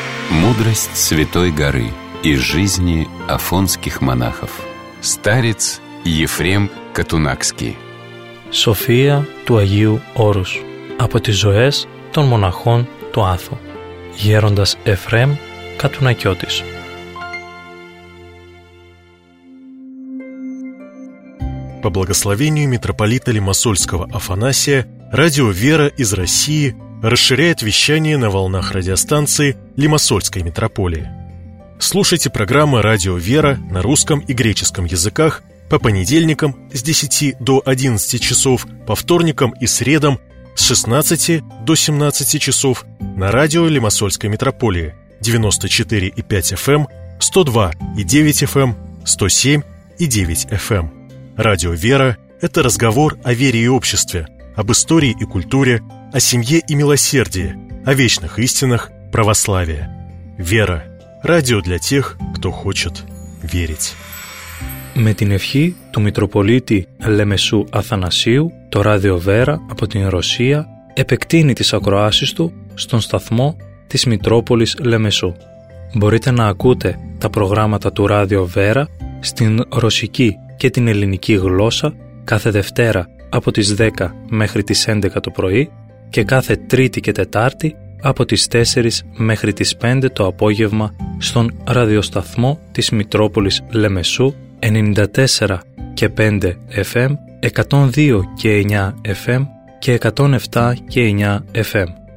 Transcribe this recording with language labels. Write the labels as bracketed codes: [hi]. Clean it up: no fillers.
[ru] Мудрость Святой Горы и жизни афонских монахов. Старец Ефрем Катунакский. [el] София του Αγίου Όρους. Από τις ζωές των μοναχών του Άθο. Γέροντας Εφρέμ Κατουνακιώτης. [ru] По благословению митрополита Лимассольского Афанасия, радио «Вера» из России расширяет вещание на волнах радиостанции Лимассольской митрополии. Слушайте программы «Радио Вера» на русском и греческом языках по понедельникам с 10 до 11 часов, по вторникам и средам с 16 до 17 часов на радио Лимассольской митрополии 94,5 FM, 102,9 FM, 107,9 FM. «Радио Вера» — это разговор о вере и обществе, об истории и культуре, о семье и милосердии, о вечных истинах православия. Вера. Радио для тех, кто хочет верить. [el] Με την ευχή του Μητροπολίτη Λεμεσού Αθανασίου, το Ράδιο Βέρα από την Ρωσία επεκτείνει τις ακροάσεις του στον σταθμό της Μητρόπολης Λεμεσού. Μπορείτε να ακούτε τα προγράμματα του Ράδιο Βέρα στην ρωσική και την ελληνική γλώσσα κάθε Δευτέρα από τις 10 μέχρι τις 11 το πρωί και κάθε Τρίτη και Τετάρτη από τις 4 μέχρι τις 5 το απόγευμα στον ραδιοσταθμό της Μητρόπολης Λεμεσού 94 και 5 FM, 102 και 9 FM και 107 και 9 FM.